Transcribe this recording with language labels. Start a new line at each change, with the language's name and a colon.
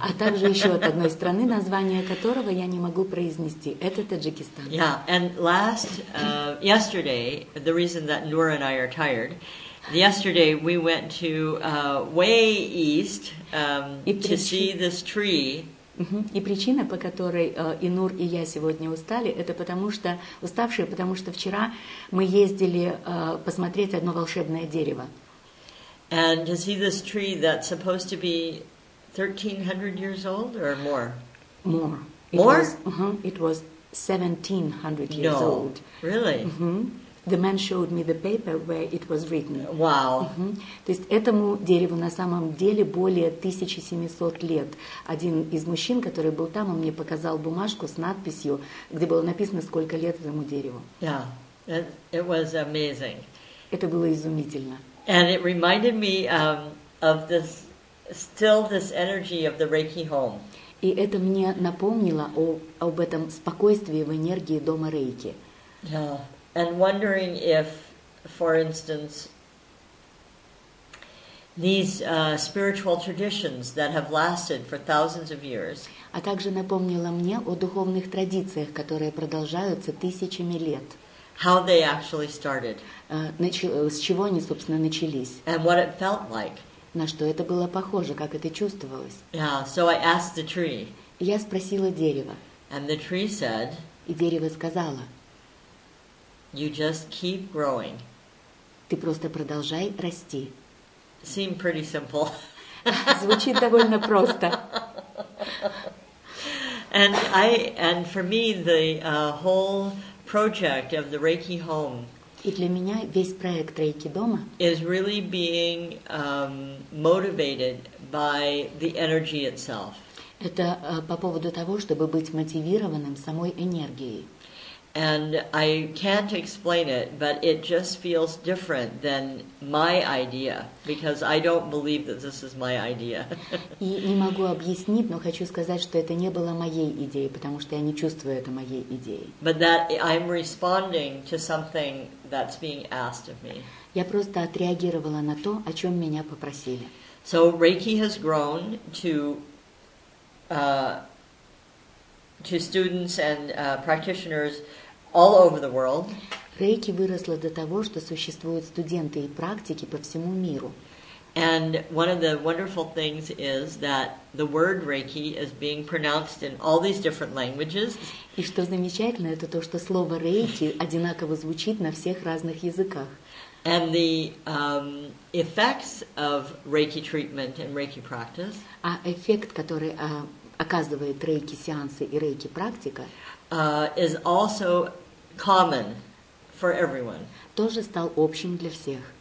Russian: А также еще от одной страны, название которого я не могу произнести. Это Таджикистан.
English: Yeah. And last yesterday, the reason that Noor and I are tired, yesterday we went to way east to see this tree. И причина, по которой и Нур, и я сегодня устали, это потому что уставшие, потому что вчера мы ездили посмотреть одно волшебное дерево. And to see this tree that's supposed to be 1300 years old or more? More. It more? Was, uh-huh, it was 1700 years no. old. Really? Uh-huh. The man showed me the paper where it was written. Wow. Uh-huh.
Russian: То есть этому дереву на самом деле более 1700 лет. Один из мужчин, который был там, он мне показал бумажку с надписью, где было написано, сколько лет этому дереву.
English: Yeah, it was amazing.
Russian: Это было изумительно.
English: And it reminded me of this, still this energy of the Reiki home.
Russian: И это мне напомнило об этом спокойствии в энергии дома Рейки. Yeah.
English: And wondering if, for instance, these spiritual traditions that have lasted for thousands of years.
Russian: А также напомнило мне о духовных традициях, которые продолжаются тысячами лет.
English: How they actually started.
Russian: С чего они, собственно, начались.
English: And what it felt like.
Russian: На что это было похоже, как это чувствовалось.
English: Yeah, so I asked the tree.
Russian: Я спросила дерево.
English: And the tree said.
Russian: И дерево сказало.
English: You just keep growing.
Russian: Ты просто продолжай расти.
English: Seemed pretty simple.
Russian: Звучит довольно просто.
English: And for me, the whole project of the Reiki home.
Russian: И для меня весь проект Рейки дома
English: is really being motivated by the energy itself.
Russian: Это по поводу того, чтобы быть мотивированным самой энергией.
English: And I can't explain it, but it just feels different than my idea, because I don't believe that this is my idea.
Russian: И не могу объяснить, но хочу сказать, что это не было моей идеей, потому что я не чувствую это моей идеей.
English: But that I'm responding to something that's being asked of me.
Russian: Я просто отреагировала на то, о чем меня попросили.
English: So Reiki has grown to to students and practitioners all over the world.
Russian: Рейки выросла до того, что существуют студенты и практики по всему миру.
English: And one of the wonderful things is that the word Reiki is being pronounced in all these different languages.
Russian: И что замечательно, это то, что слово Рейки одинаково звучит на всех разных языках.
English: And the effects of Reiki treatment and Reiki practice.
Russian: А эффект, который оказывает Рейки сеансы и Рейки практика,
English: is also common for everyone.
Russian: Тоже стал общим для всех.